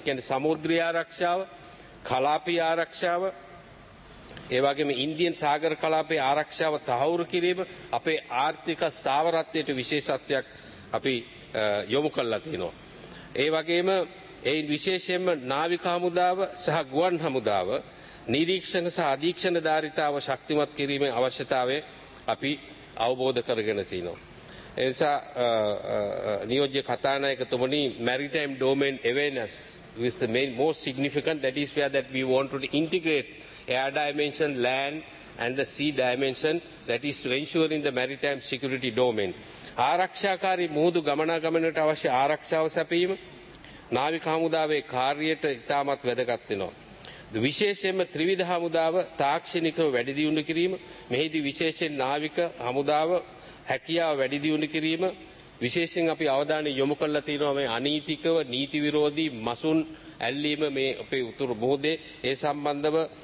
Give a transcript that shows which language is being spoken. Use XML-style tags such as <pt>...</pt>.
<si>ඒ කියන්නේ සමුද්‍රීය ආරක්ෂාව, කලාපීය ආරක්ෂාව, ඒ වගේම ඉන්දියන් සාගර කලාපයේ ආරක්ෂාව තහවුරු කිරීම අපේ ආර්ථික ස්ථාවරත්වයට විශේෂත්වයක් අපි යොමු කරලා තියෙනවා. ඒ වගේම එයින් විශේෂයෙන්ම නාවික හමුදාව සහ ගුවන් හමුදාව නිරීක්ෂණ සහ අධීක්ෂණ ධාරිතාව ශක්තිමත් කිරීමේ අවශ්‍යතාවය අපි අවබෝධ කරගෙන සිටිනවා. ඒ නිසා නියෝජ්‍ය කථානායකතුමනි</si> <en>Maritime domain awareness is the main most significant that is where that we want to integrate air dimension, land and the sea dimension that is to ensure in the maritime security domain.</en> <si>ආරක්ෂාකාරී මුහුදු ගමනාගමනයට අවශ්‍ය ආරක්ෂාව සැපයීම නාවික හමුදාවේ කාර්යයට ඉතාමත් වැදගත් වෙනවා. විශේෂයෙන්ම ත්‍රිවිධ හමුදාව තාක්ෂණිකව වැඩි දියුණු කිරීම, මෙහිදී විශේෂයෙන් නාවික හමුදාව හැකියාව වැඩි දියුණු කිරීම, විශේෂයෙන් අපි අවධානය යොමු කරලා තියෙනවා මේ අනීතිකව නීති විරෝධී මසුන් ඇල්ලීම මේ අපේ උතුරු මුහුදේ ඒ සම්බන්ධව</si>